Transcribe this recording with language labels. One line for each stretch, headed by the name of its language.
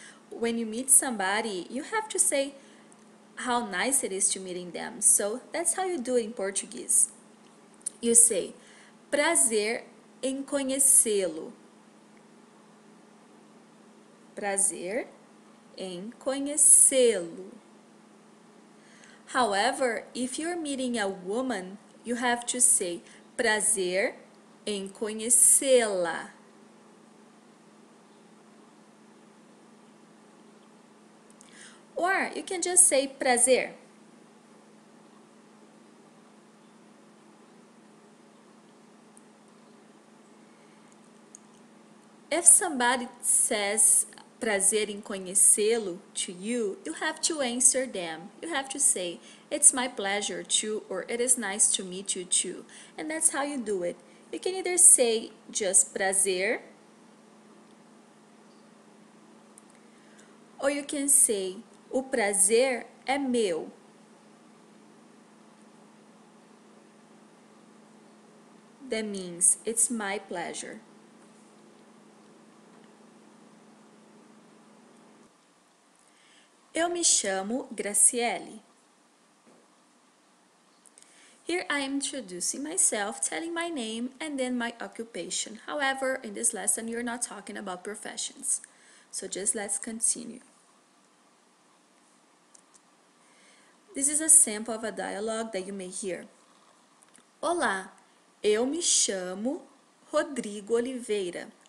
English: When you meet somebody, you have to say, how nice it is to meeting them. So that's how you do it in Portuguese. You say,
Portuguese: prazer em conhecê-lo. Prazer em conhecê-lo.
English: However, if you're meeting a woman, you have to say,
Portuguese: prazer em conhecê-la.
English: Or, you can just say, prazer. If somebody says,
Portuguese: prazer em conhecê-lo
English: to you, you have to answer them. You have to say, it's my pleasure too, or it is nice to meet you too. And that's how you do it. You can either say, just prazer. Or you can say,
Portuguese: o prazer é meu.
English: That means it's my pleasure.
Portuguese: Eu me chamo Graciele.
English: Here I am introducing myself, telling my name and then my occupation. However, in this lesson, you're not talking about professions. So just let's continue. This is a sample of a dialogue that you may hear.
Portuguese: Olá, eu me chamo Rodrigo Oliveira.